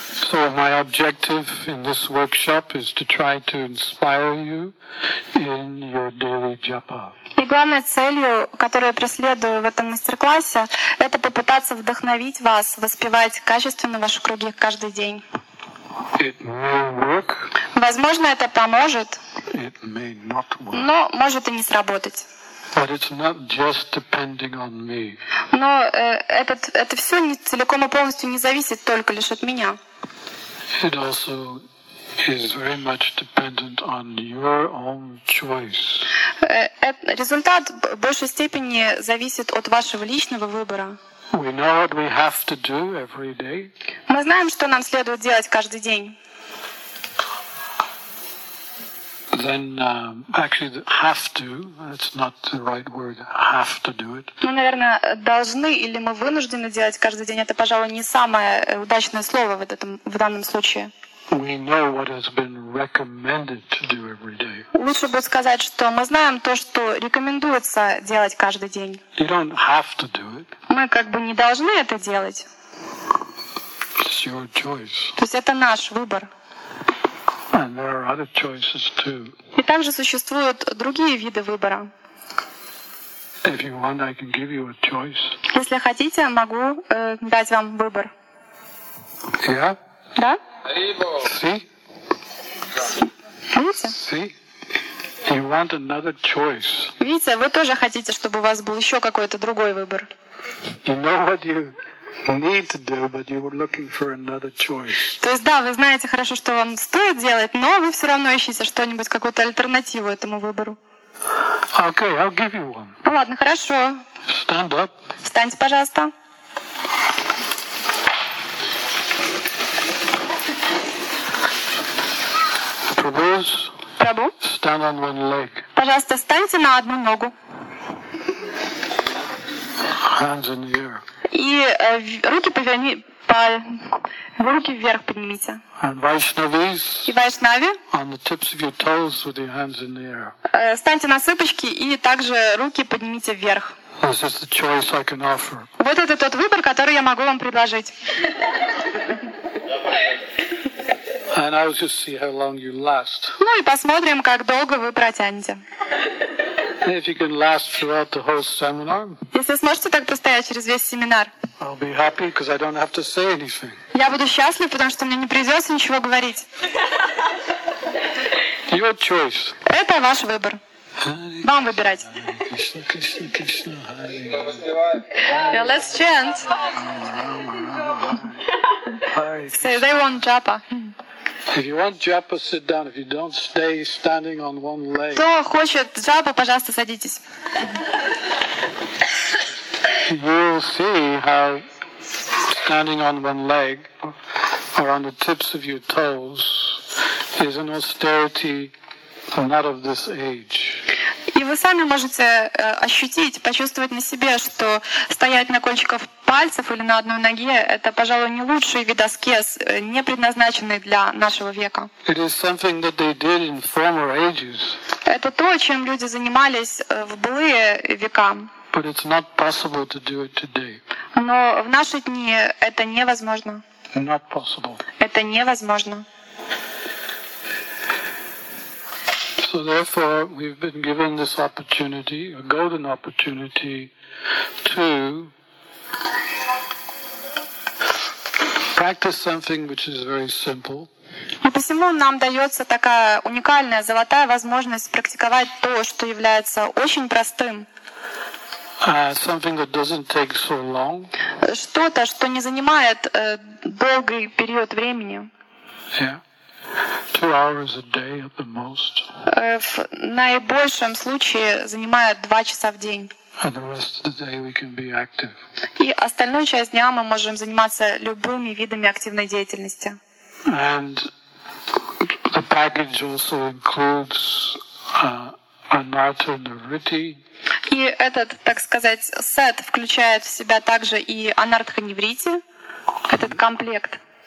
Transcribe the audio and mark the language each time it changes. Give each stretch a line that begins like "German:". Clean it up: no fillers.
English: So my objective in this workshop is to try to inspire you in your daily japa.
Russian: И главной целью, которую я преследую в этом мастер-классе, это попытаться вдохновить вас воспевать качественно ваши круги каждый день.
English: It may work.
Russian: Возможно, это поможет.
English: It may not work.
Russian: Но может и не сработать.
English: But it's not just depending on me.
Russian: Но это все не целиком и полностью не зависит только лишь от меня.
English: It also is very much dependent on your own choice.
Russian: Результат в большей степени зависит от вашего личного выбора.
English: We know what we have to do every day.
Russian: Мы знаем, что нам следует делать каждый день.
English: Then actually have to. That's not the right word. Have to do it.
Russian: Ну, наверное, должны или мы вынуждены делать каждый день. Это, пожалуй, не самое удачное слово в данном случае.
English: We know what has been recommended to do every day.
Russian: Лучше бы сказать, что мы знаем то, что рекомендуется делать каждый день.
English: You don't have to do it.
Russian: Мы как бы не должны это делать.
English: It's your choice.
Russian: То есть это наш выбор.
English: And there are other choices too.
Russian: И также существуют другие виды выбора.
English: If you want, I can give you a choice.
Russian: Если хотите, могу дать вам выбор.
English: Yeah?
Russian: Да?
English: See?
Russian: Видите?
English: See? You want another choice.
Russian: Видите, вы тоже хотите, чтобы у вас был еще какой-то другой выбор.
English: You know what you... need to do, but you were looking for another choice.
Russian: То есть, да, вы знаете хорошо, что вам стоит делать, но вы все равно ищете что-нибудь, какую-то альтернативу этому выбору.
English: Okay, I'll give you one.
Russian: Ну, ладно, хорошо.
English: Stand up.
Russian: Встаньте, пожалуйста.
English: Prabhu's.
Russian: Prabhu.
English: Stand on one leg.
Russian: Пожалуйста, встаньте на одну ногу.
English: Hands in the air.
Russian: И руки поверни, руки вверх поднимите.
English: And Vaishnavis.
Russian: И Вайшнави.
English: On the tips of your toes with your hands in the air.
Russian: Станьте на сыпочки и также руки поднимите вверх.
English: This is the choice I can offer.
Russian: Вот это тот выбор, который я могу вам предложить.
English: And I'll just see how long you last.
Russian: Ну и посмотрим, как долго вы протянете.
English: If you can last throughout the whole seminar,
Russian: если сможете так простоять через весь семинар,
English: I'll be happy because I don't have to say anything.
Russian: Я буду счастлив, потому что мне не придется ничего говорить.
English: Your choice.
Russian: Это ваш выбор. Вам выбирать.
English: Yeah, let's chant. Say they want japa. If you want japa, sit down. If you don't, stay standing on one leg.
Russian: Кто хочет джапу, пожалуйста, садитесь.
English: You'll see how standing on one leg or on the tips of your toes is an austerity not of this age.
Russian: И вы сами можете ощутить, почувствовать на себе, что стоять на кончиках пальцев или на одной ноге — это, пожалуй, не лучший вид аскез, не предназначенный для нашего века.
English: It is something that they did in former ages.
Russian: Это то, чем люди занимались в былые века.
English: But it's not possible to do it today.
Russian: Но в наши дни это невозможно.
English: Not possible.
Russian: Это невозможно.
English: So therefore, we've been given this opportunity, a golden opportunity, to practice something which is very simple.
Russian: И посему нам дается такая уникальная золотая возможность практиковать то, что является очень простым.
English: Something that doesn't take so long.
Russian: Что-то, что не занимает долгий период времени.
English: Yeah. 2 hours a day at the most.
Russian: В наибольшем случае занимает 2 часа в день.
English: And the rest of the day we can be active.
Russian: И остальную часть дня мы можем заниматься любыми видами активной деятельности.
English: And the package also includes anarthaneuriti.
Russian: И этот, так сказать, сет включает в себя также и анартханеврити, этот комплект.